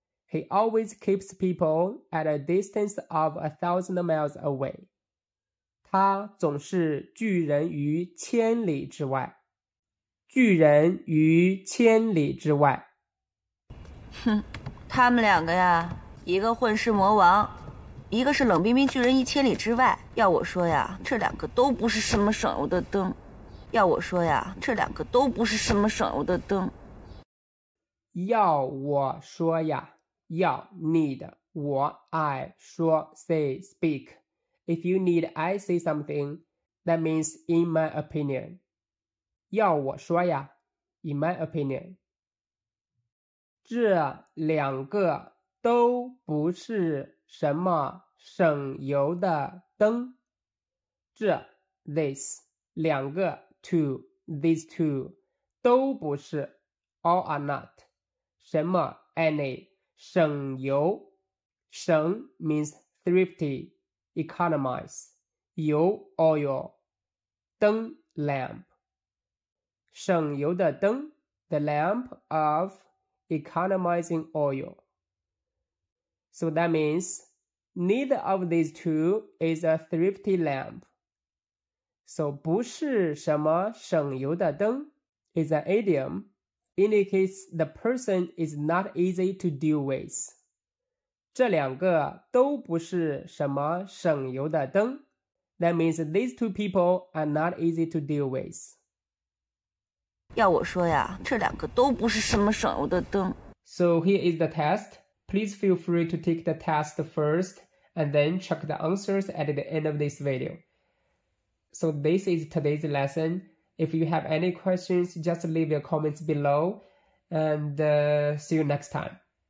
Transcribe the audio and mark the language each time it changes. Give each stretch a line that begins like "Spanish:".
English: He always keeps people at a distance of 1,000 miles away.
Chinese: 他总是拒人于千里之外。拒人于千里之外。哼，他们两个呀。一个混世魔王，一个是冷冰冰巨人一千里之外。要我说呀，这两个都不是什么省油的灯，要我说呀，这两个都不是什么省油的灯。要我说呀，要 need 我 I说 say speak.
English: If you need I say something, that means in my opinion.
Chinese: 要我说呀
English: ，in my opinion.
Chinese: 这两个都不是什么省油的灯。这 this 两个 two these two 都不是 all are not 什么 any 省油省 means thrifty economize 油 oil 灯 lamp 省油的灯
English: the lamp of economizing oil so that means neither of these two is a thrifty lampSo,
Chinese: 不是什么省油的灯
English: is an idiom, indicates the person is not easy to deal with.
Chinese: 这两个都不是什么省油的灯
English: That means these two people are not easy to deal with.
Chinese: 要我说呀，这两个都不是什么省油的灯。
English: So, here is the test. Please feel free to take the test first and then check the answers at the end of this video. So this is today's lesson. If you have any questions, just leave your comments below. And see you next time.